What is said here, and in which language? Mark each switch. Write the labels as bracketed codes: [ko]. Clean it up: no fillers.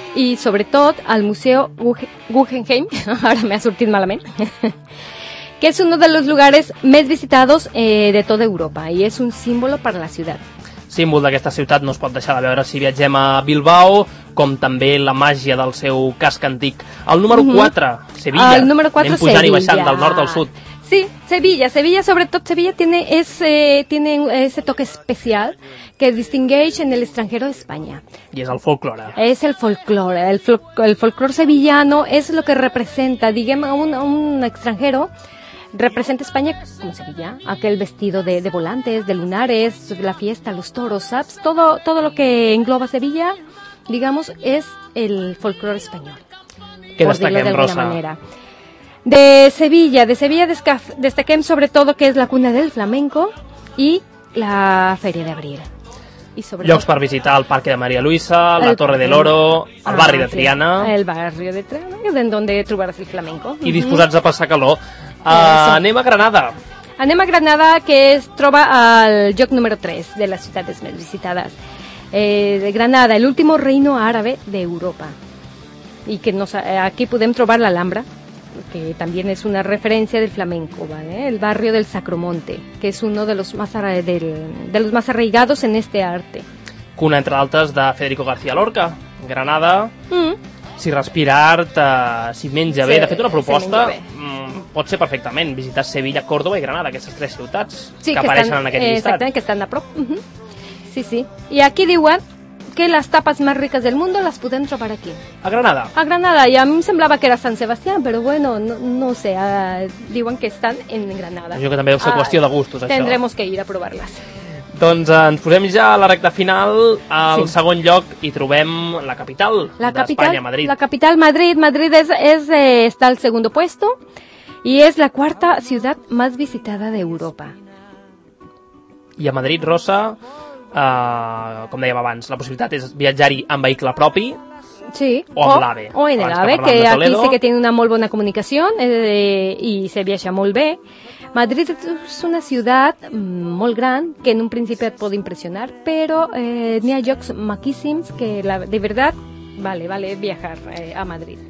[ca] I sobretot al Museu Guggenheim, ara m'ha sortit malament, [es] que es uno de los lugares más visitados de toda Europa y es un símbolo para la ciudad. [ca] Símbol d'aquesta ciutat, no es pot deixar de veure si viatgem a Bilbao, com també la màgia del seu casc antic. El número 4, Sevilla. El número 4, Sevilla. Anem pujant i baixant del nord al sud. Sí, Sevilla. [es] Sevilla, sobretot Sevilla, tiene ese toque especial que distingueix en el extranjero de España. [ca] I és el folclore. És el folclore. [es] El folclore sevillano es lo que representa, diguem, un extranjero. Representa España como Sevilla, aquel vestido de volantes, de lunares, la fiesta, los toros, ¿sabes? Todo lo que engloba Sevilla, digamos, es el folclore español. [ca] ¿Qué destaquem, Rosa? Alguna manera. [es] De Sevilla destaquem sobre todo que es la cuna del flamenco y la Feria de Abril. [ca] Llocs per visitar, el Parque de María Luisa, la Torre del Oro, el barri de Triana. El barri de Triana, en donde trobaràs el flamenco. I disposats a passar calor. Anem a Granada. Anem a Granada, que es troba al lloc número 3 de les ciutats més visitades. [es] Granada, el último reino árabe de Europa. [ca] I que aquí podem trobar l'Alhambra, que també és una referència del flamenco, ¿vale? El barri del Sacromonte, que és un dels més arraigats en aquest art. Cuna, entre altres, de Federico García Lorca, Granada. Si respira art, si menja bé, de fet una proposta... Pot ser perfectament visitar Sevilla, Còrdoba i Granada, aquestes tres ciutats que apareixen estan, en aquest llistat. Exactament, que estan a prop. Sí, sí. I aquí diuen que les tapes més riques del món les podem trobar aquí. A Granada. A Granada. I a mi em semblava que era Sant Sebastià, però bueno, no sé, diuen que estan en Granada. Jo que també deu ser qüestió de gustos, això. [es] Tendremos que ir a provar-les. [ca] Doncs ens posem ja a la recta final, al segon lloc, i trobem la capital d'Espanya, Madrid. La capital, Madrid. Madrid està al segon puesto. [es] Y es la cuarta ciudad más visitada de Europa. [ca] Y a Madrid, Rosa, com dèiem abans, la possibilitat és viatjar-hi amb vehicle propi. Sí. O amb l'AVE. O en l'AVE, que aquí sí que tiene una molt bona comunicació i se viatja molt bé. Madrid és una ciutat molt gran que en un principi et pot impressionar, però n'hi ha llocs maquíssims que, de veritat, [es] vale viajar [ca] a Madrid.